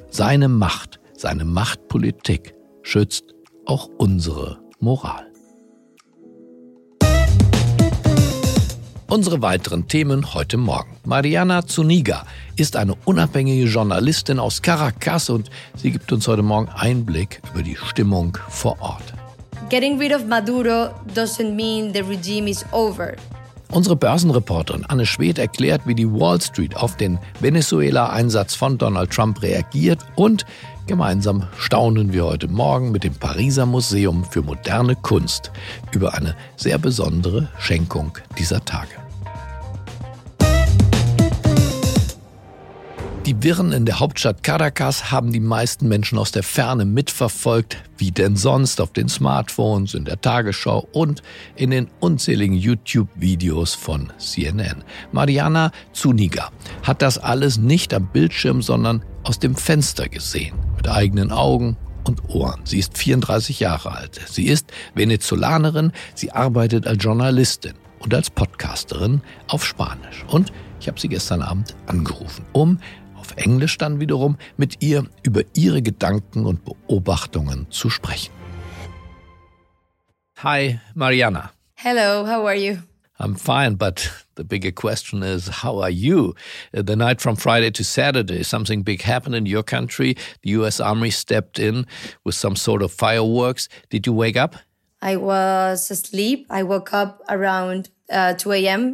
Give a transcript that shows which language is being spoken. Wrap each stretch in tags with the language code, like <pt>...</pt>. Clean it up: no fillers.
<de>Seine Machtpolitik schützt auch unsere Moral. Unsere weiteren Themen heute Morgen. Mariana Zuniga ist eine unabhängige Journalistin aus Caracas und sie gibt uns heute Morgen Einblick über die Stimmung vor Ort.</de> <en>Getting rid of Maduro doesn't mean the regime is over.</en> <de>Unsere Börsenreporterin Anne Schwedt erklärt, wie die Wall Street auf den Venezuela-Einsatz von Donald Trump reagiert. Und gemeinsam staunen wir heute Morgen mit dem Pariser Museum für moderne Kunst über eine sehr besondere Schenkung dieser Tage. Die Wirren in der Hauptstadt Caracas haben die meisten Menschen aus der Ferne mitverfolgt, wie denn sonst auf den Smartphones, in der Tagesschau und in den unzähligen YouTube-Videos von CNN. Mariana Zuniga hat das alles nicht am Bildschirm, sondern aus dem Fenster gesehen, mit eigenen Augen und Ohren. Sie ist 34 Jahre alt. Sie ist Venezolanerin, sie arbeitet als Journalistin und als Podcasterin auf Spanisch. Und ich habe sie gestern Abend angerufen, um auf Englisch dann wiederum mit ihr über ihre Gedanken und Beobachtungen zu sprechen.</de> <en>Hi, Mariana. Hello, how are you? I'm fine, but the bigger question is, how are you? The night from Friday to Saturday, something big happened in your country. The US Army stepped in with some sort of fireworks. Did you wake up? I was asleep. I woke up around 2 a.m.</en>